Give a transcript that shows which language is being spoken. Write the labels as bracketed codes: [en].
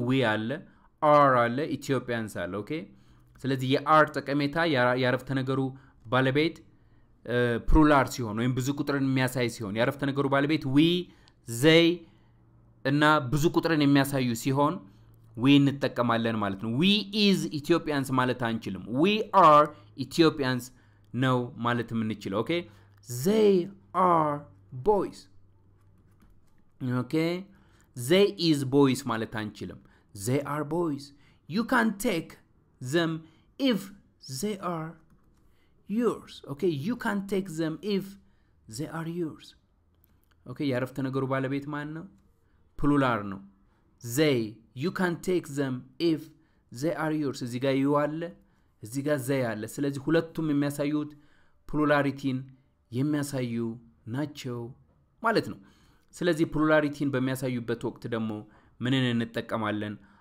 [am] we አለ are alle Ethiopians alle okay ስለዚህ የአር ጠቀሜታ ያረፍተ ነገሩ ባለቤት plural ሲሆን ወይም ብዙ ቁጥርን የሚያሳይ ሲሆን ያረፍተ ነገሩ ባለቤት we they እና ብዙ ቁጥርን የሚያሳዩ ሲሆን we እንጠቀማለን ማለት ነው። [en] we is Ethiopians [am] ማለት አንችልም። [en] we are Ethiopians [am] ነው ማለት ምን ይችላል? [en] okay they are boys. okay they is boys [am] ማለት አንችልም። [en] They are boys. You can take them if they are yours. Okay, you can take them if they are yours. [am] Okay, ያረፍተ ነገሩ ባለቤት ማን ነው? ፕሉላር ነው። [en] They, you can take them if they are yours. [am] እዚህ ጋር you አለ፣ እዚህ ጋር they አለ። ስለዚህ ሁለቱም የሚያሳዩት ፕሉላሪቲን የሚያሳዩ ናቸው ማለት ነው። ስለዚህ ፕሉላሪቲን በሚያሳዩበት ወቅት ደግሞ ምንን እንጠቀማለን?